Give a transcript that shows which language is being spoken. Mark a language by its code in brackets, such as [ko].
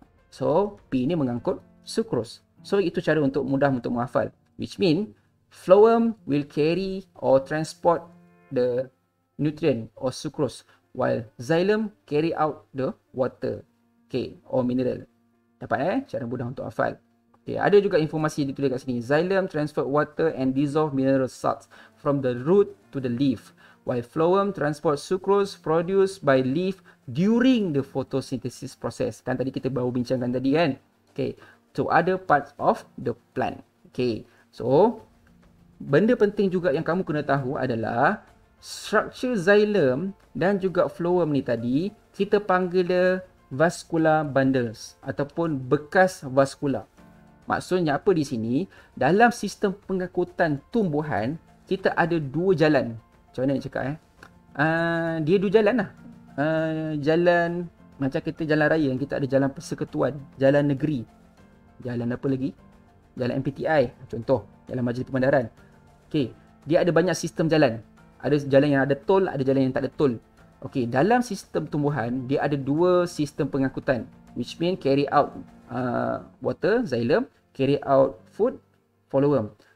[ms] So P ni mengangkut sucrose. So itu cara untuk mudah untuk menghafal. [en] Which mean, phloem will carry or transport the nutrient or sucrose, while xylem carry out the water, okay, or mineral. [ms] Dapat eh? Cara mudah untuk hafal. Okay, ada juga informasi ditulis kat sini. [en] Xylem transport water and dissolve mineral salts from the root to the leaf, while phloem transport sucrose produced by leaf during the photosynthesis process. [ms] Kan tadi kita baru bincangkan tadi kan? Okay, [en] to other parts of the plant. [ms] Okay, so benda penting juga yang kamu kena tahu adalah structure xylem dan juga phloem ni tadi, kita panggil dia vascular bundles ataupun bekas vaskula. Maksudnya apa di sini? Dalam sistem pengangkutan tumbuhan, kita ada dua jalan. Macam mana nak cakap eh? Dia dua jalan lah. Jalan macam kita jalan raya, kita ada jalan persekutuan, jalan negeri. Jalan apa lagi? Jalan MPTI contoh, jalan majlis pembandaran. Okay, dia ada banyak sistem jalan. Ada jalan yang ada tol, ada jalan yang tak ada tol. Okey, dalam sistem tumbuhan, dia ada dua sistem pengangkutan. [en] Which mean carry out water, xylem, carry out food, phloem.